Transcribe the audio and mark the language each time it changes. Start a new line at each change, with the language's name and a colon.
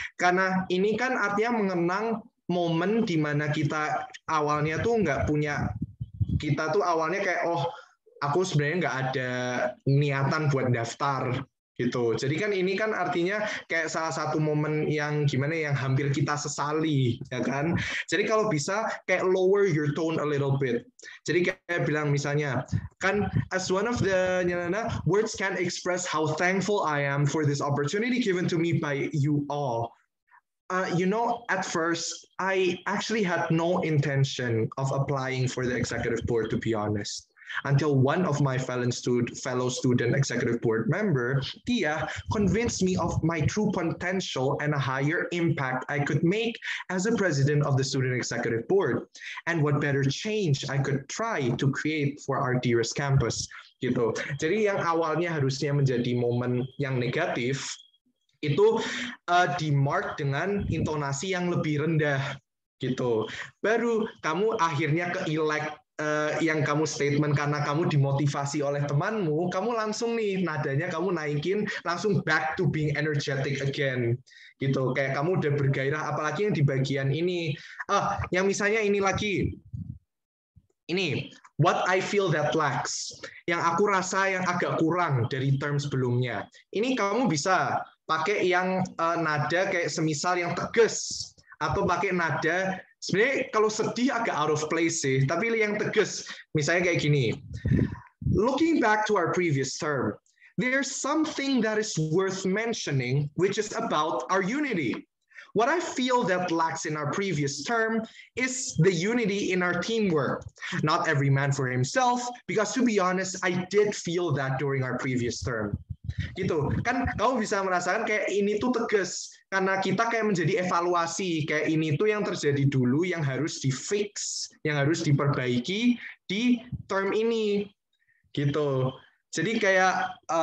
Indonesian: Karena ini kan artinya mengenang momen di mana kita awalnya tuh nggak punya, kita tuh awalnya kayak, oh, aku sebenarnya nggak ada niatan buat daftar, gitu. Jadi kan ini kan artinya kayak salah satu momen yang gimana, yang hampir kita sesali, ya kan? Jadi kalau bisa, kayak
English: lower your tone a little bit.
Indonesian: Jadi kayak bilang misalnya, kan,
English: as one of the, words can express how thankful I am for this opportunity given to me by you all. At first, I actually had no intention of applying for the executive board, to be honest, until one of my fellow student executive board member, Tia, convinced me of my true potential and a higher impact I could make as a president of the student executive board, and what better change I could try to create for our dearest campus.
Indonesian: Gitu. Jadi yang awalnya harusnya menjadi momen yang negatif, itu di-mark dengan intonasi yang lebih rendah gitu. Baru kamu akhirnya ke-elect yang kamu statement karena kamu dimotivasi oleh temanmu, kamu langsung nih nadanya kamu naikin langsung
English: back to being energetic again
Indonesian: gitu. Kayak kamu udah bergairah, apalagi yang di bagian ini. Yang misalnya ini lagi. ini,
English: what I feel that lacks,
Indonesian: yang aku rasa yang agak kurang dari term sebelumnya. Ini kamu bisa pakai yang nada kayak semisal yang tegas, atau pakai nada, sebenarnya kalau sedih agak
English: out of place
Indonesian: sih, tapi yang tegas, misalnya kayak gini.
English: Looking back to our previous term, there's something that is worth mentioning, which is about our unity. What I feel that lacks in our previous term is the unity in our teamwork. Not every man for himself, because to be honest, I did feel that during our previous term.
Indonesian: Gitu. Kan kamu bisa merasakan kayak ini tuh tegas, karena kita kayak menjadi evaluasi, kayak ini tuh yang terjadi dulu, yang harus di-fix, yang harus diperbaiki di term ini. Gitu. Jadi kayak...